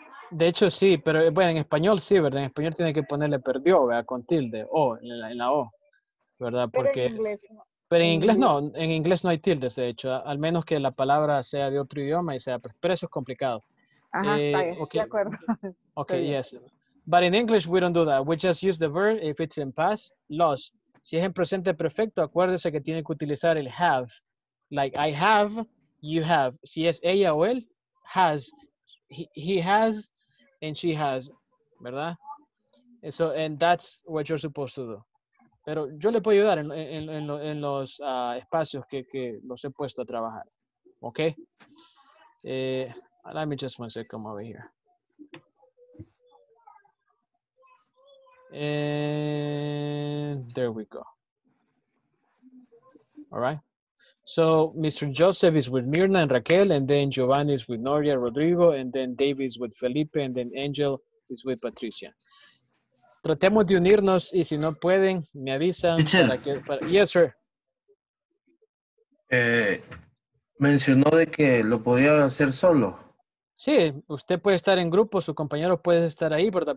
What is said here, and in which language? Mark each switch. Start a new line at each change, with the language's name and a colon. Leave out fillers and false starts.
Spanish: De hecho, sí, pero bueno, en español sí, ¿verdad? En español tiene que ponerle perdió, ¿verdad? Con tilde, o, en la O, ¿verdad? Porque, pero en inglés no. En inglés no hay tildes, de hecho, al menos que la palabra sea de otro idioma y sea, pero eso es complicado. Ajá, okay. De acuerdo.
English: Okay, yes. But in English we don't do that. We just use the verb if it's in past, lost.
Spanish: Si es en presente perfecto, acuérdese que tiene que utilizar el have.
English: Like, I have, you have.
Spanish: Si es ella o él,
English: has. He has, and she has. ¿Verdad? And so, and that's what you're supposed to do.
Spanish: Pero yo le puedo ayudar en los espacios que los he puesto a trabajar.
English: Okay? Let me just one second over here. And there we go. All right. So Mr. Joseph is with Mirna and Raquel, and then Giovanni is with Noria, Rodrigo, and then David is with Felipe, and then Angel is with Patricia.
Spanish: Tratemos de unirnos, y si no pueden, me avisan.
English: Yes, sir.
Spanish: Mencionó de que lo podía hacer solo. Sí, usted puede estar en grupo, su compañero puede estar ahí, ¿verdad?